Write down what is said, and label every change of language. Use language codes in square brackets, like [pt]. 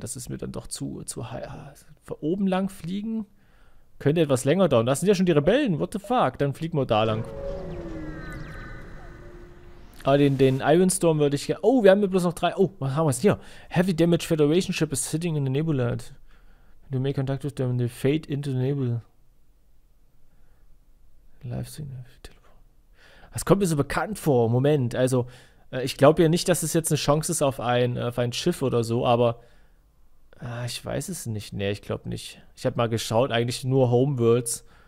[de] Das ist mir dann doch zu high. Von oben lang fliegen? Könnte etwas länger dauern. Das sind ja schon die Rebellen. [en] What the fuck? [de] Dann fliegen wir da lang. Ah, den Iron Storm würde ich gerne... Oh, wir haben hier bloß noch drei. Oh, was haben wir hier? [en] Heavy Damage Federation Ship is sitting in the Nebula. You make contact with them. They fade into the Nebula. [de] Das kommt mir so bekannt vor. Moment, also... Ich glaube ja nicht, dass es jetzt eine Chance ist auf ein Schiff oder so, aber ich weiß es nicht. Nee, ich glaube nicht. Ich habe mal geschaut, eigentlich nur Homeworlds.